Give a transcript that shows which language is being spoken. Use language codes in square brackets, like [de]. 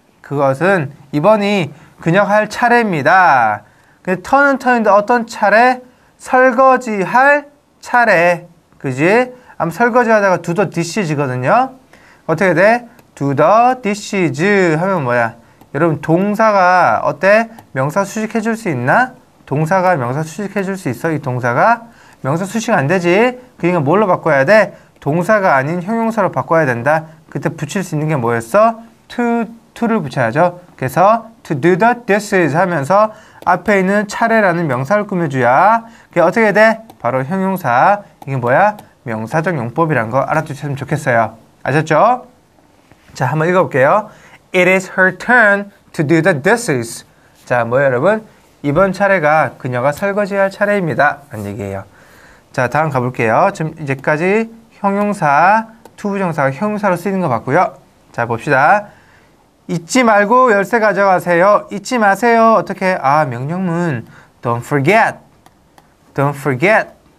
[ko] 그것은 이번이 그녀가 할 차례입니다. 근데 turn은 turn인데 어떤 차례? 설거지할 차례. 그지? 아마 설거지하다가 [en] do the dishes [ko] 거든요. 어떻게 돼? [en] do the dishes [ko] 하면 뭐야? 여러분 동사가 어때? 명사 수식해 줄 수 있나? 동사가 명사 수식해 줄 수 있어? 이 동사가? 명사 수식 안 되지. 그러니까 뭘로 바꿔야 돼? 동사가 아닌 형용사로 바꿔야 된다. 그때 붙일 수 있는 게 뭐였어? to를 붙여야죠. 그래서 [en] to do the dishes [ko] 하면서 앞에 있는 차례라는 명사를 꾸며줘야 그게 어떻게 돼? 바로 형용사. 이게 뭐야? 명사적 용법이란 거 알아두셨으면 좋겠어요. 아셨죠? 자, 한번 읽어볼게요. [en] It is her turn to do the dishes. [ko] 자, 뭐예요, 여러분? 이번 차례가 그녀가 설거지할 차례입니다. 라는 얘기예요. 자, 다음 가볼게요. 지금 이제까지 형용사, 투부정사가 형용사로 쓰이는 거 봤고요. 자, 봅시다. 잊지 말고 열쇠 가져가세요. 잊지 마세요. 어떻게? 아, 명령문. [en] Don't forget. Don't forget.